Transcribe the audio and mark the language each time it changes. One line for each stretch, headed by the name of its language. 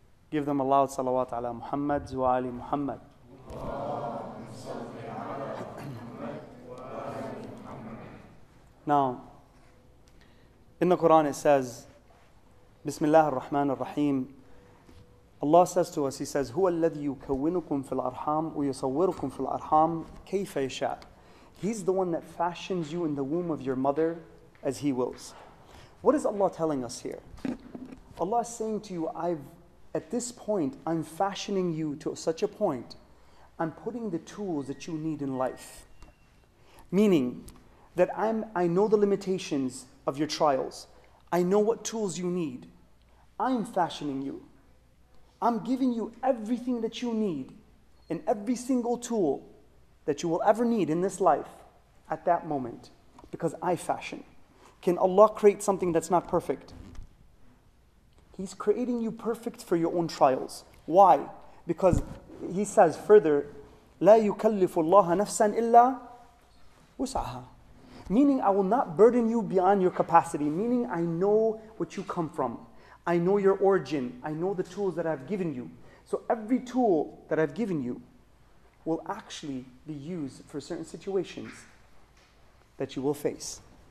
English: Give them a loud
Arabic: salawat ala Muhammad wa Ali Muhammad.
English: Now, in the Quran it says,
Arabic: Bismillah ar-Rahman ar-Rahim.
English: Allah says to us, He says,
Arabic: هو الذي يكونكم في الأرحام ويصوركم في الأرحام كيف يشاء.
English: He's the one that fashions you in the womb of your mother as He wills. What is Allah telling us here? Allah is saying to you, I'm fashioning you to such a point, I'm putting the tools that you need in life. Meaning that I know the limitations of your trials. I know what tools you need. I'm fashioning you. I'm giving you everything that you need and every single tool that you will ever need in this life at that moment, because I fashion. Can Allah create something that's not perfect? He's creating you perfect for your own trials. Why? Because he says further,
Arabic: لا يكلف الله نفسا إلا وسعها.
English: Meaning I will not burden you beyond your capacity. Meaning I know what you come from. I know your origin. I know the tools that I've given you. So every tool that I've given you will actually be used for certain situations that you will face.